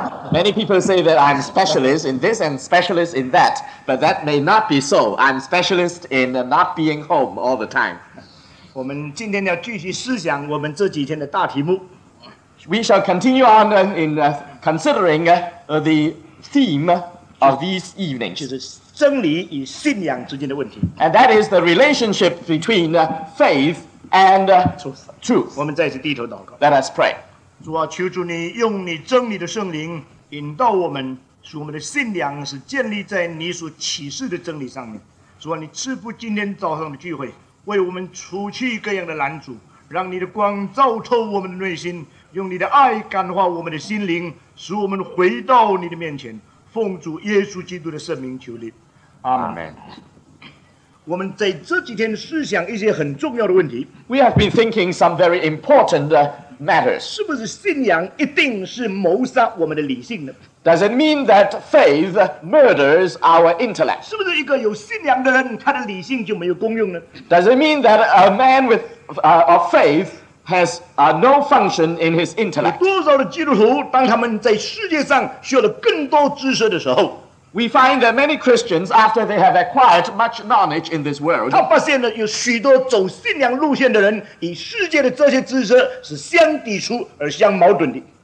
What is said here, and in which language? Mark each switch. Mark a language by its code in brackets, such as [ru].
[en] Many people say that I'm specialist in this and specialist in that, but that may not be so. I'm specialist in not being home all the time. [zh] 我们今天要继续思想我们这几天的大题目。 [en] We shall continue on in considering the theme of these evenings. [zh] 就是真理与信仰之间的问题。 [en] And that is the relationship between faith and truth. [zh] 我们再次低头祷告。 [en] Let us pray. [zh] 主啊，求主你用你真理的圣灵引导我们，使我们的信仰是建立在你所启示的真理上面。主啊，你赐福今天早上的聚会，为我们除去各样的拦阻，让你的光照透我们的内心，用你的爱感化我们的心灵，使我们回到你的面前。奉主耶稣基督的圣名求你，阿门。我们在这几天思想一些很重要的问题。 [en] We have been thinking some very important matters. [zh] 是不是信仰一定是谋杀我们的理性呢？ [en] Does it mean that faith murders our intellect? [zh] 是不是一个有信仰的人，他的理性就没有功用呢？ [en] Does it mean that a man with of faith has no function in his intellect? [zh] 有多少的基督徒，当他们在世界上需要了更多知识的时候， [en] We find that many Christians, after they have acquired much knowledge in this world, [zh] 他发现了有许多走信仰路线的人，与世界的这些知识是相抵触而相矛盾的。